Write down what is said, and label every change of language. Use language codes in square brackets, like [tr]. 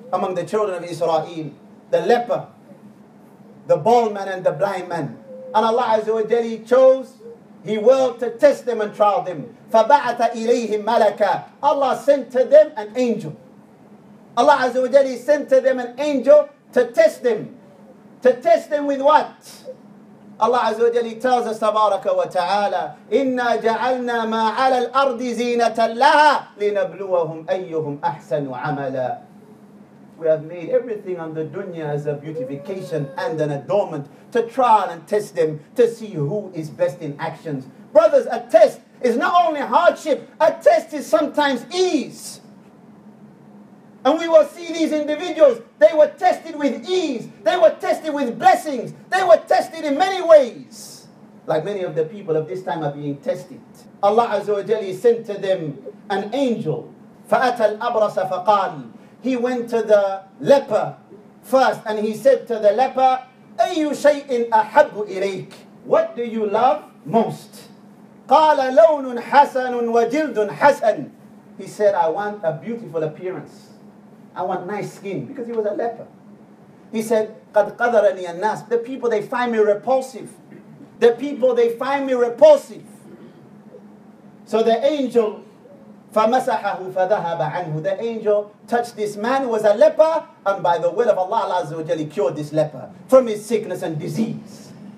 [en] Among the children of Israel, the leper, the bald man, and the blind man. And Allah Azza wa Jalla chose, He willed to test them and trial them. [ar] فَبَعَثَ إِلَيْهِمْ مَلَكًا. [en] Allah sent to them an angel. Allah Azza wa Jalla sent to them an angel to test them. To test them with what? Allah Azza wa Jalla tells us, Tabaraka wa Ta'ala, [ar] إِنَّا جَعَلْنَا مَا عَلَى الْأَرْضِ زِينَةً لَهَا لِنَبْلُوَهُمْ أَيُّهُمْ أَحْسَنُ عَمَلًا. [en] We have made everything on the dunya as a beautification and an adornment to trial and test them to see who is best in actions. Brothers, a test is not only hardship, a test is sometimes ease. And we will see these individuals, they were tested with ease, they were tested with blessings, they were tested in many ways. Like many of the people of this time are being tested. Allah Azza wa Jalla sent to them an angel. [ar] فَأَتَى الْأَبْرَسَ فَقَالِ. [en] He went to the leper first and he said to the leper, [ar] أَيُّ شَيْءٍ أَحَبُّ إِلَيْكَ. [en] What do you love most? [ar] قَالَ لَوْنٌ حَسَنٌ وَجِلْدٌ حَسَنٌ. [en] He said, I want a beautiful appearance. I want nice skin, because he was a leper. He said, [ar] قَدْ قَدَرَنِيَ النَّاسِ. [en] The people, they find me repulsive. The people, they find me repulsive. So the angel, [ar] فَمَسَحَهُ فَذَهَبَ عَنْهُ. [en] The angel touched this man who was a leper, and by the will of Allah, Allah Azza wa Jalla, he cured this leper from his sickness and disease.